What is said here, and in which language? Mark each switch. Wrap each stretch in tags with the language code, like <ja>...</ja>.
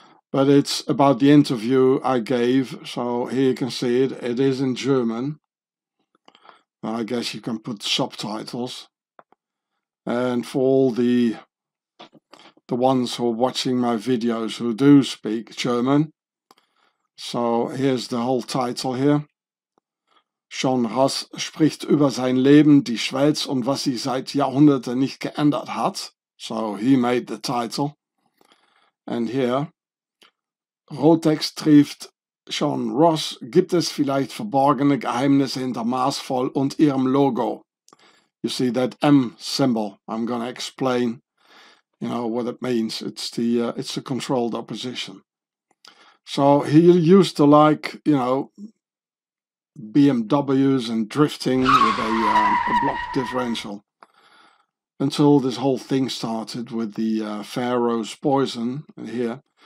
<en>But it's about the interview I gave, so here you can see it. It is in German. I guess you can put subtitles. And for all the ones who are watching my videos who do speak German. So here's the whole title here.</en> <de>John Ross spricht über sein Leben, die Schweiz und was sie seit Jahrhunderten nicht geändert hat.</de> <en>So he made the title. And here, Rotex trifft John Ross.</en> <de>Gibt es vielleicht verborgene Geheimnisse hinter Maßvoll und ihrem Logo?</de> <en>You see that M symbol, I'm gonna explain. You know what it means. It's a controlled opposition. So he used to like, you know, BMWs and drifting with a block differential until this whole thing started with the Pharaoh's poison here.</en>